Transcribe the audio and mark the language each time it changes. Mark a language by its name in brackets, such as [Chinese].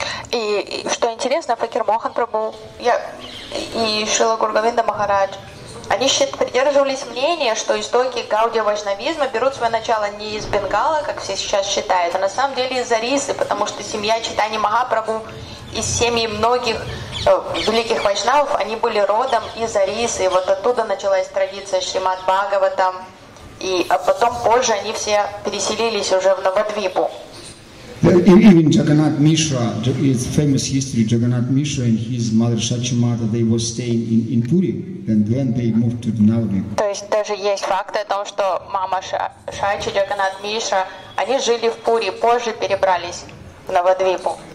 [Russian] И что интересно, Факир Мохан Прабху и Шрила Горгавинда Махарадж, они придерживались мнения, что истоки Гаудия Вайшнавизма берут свое начало не из Бенгала, как все сейчас считают, а на самом деле из Орисы, потому что семья Чайтаньи Махапрабху и семьи многих великих вайшнавов, они были родом из Орисы. И вот оттуда началась традиция Шримад Бхагаватам. И а потом позже они все переселились уже в Навадвипу. [English] Even Jagannath Mishra, his famous history, Jagannath Mishra and his mother Shachi Mata, they were staying in Puri, and then they moved to Navadvip. [Russian] То есть даже есть факты о том, что мама Шачи, Джаганнат Мишра, они жили в Пури, позже перебрались в Навадвипу.